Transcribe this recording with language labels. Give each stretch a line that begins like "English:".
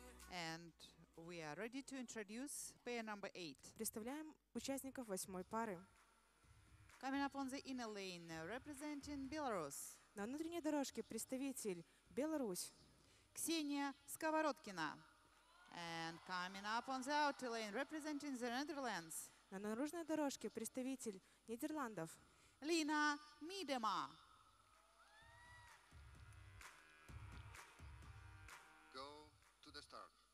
English: And we are ready to introduce pair number 8.
Russian: Представляем участников восьмой пары.
English: Coming up on the inner lane, representing Belarus.
Russian: На внутренней дорожке представитель Беларусь. Ксения Сковородкина.
English: And coming up on the outer lane, representing the Netherlands.
Russian: На наружной дорожке представитель Нидерландов. Лина Мидема.
English: Go to the start.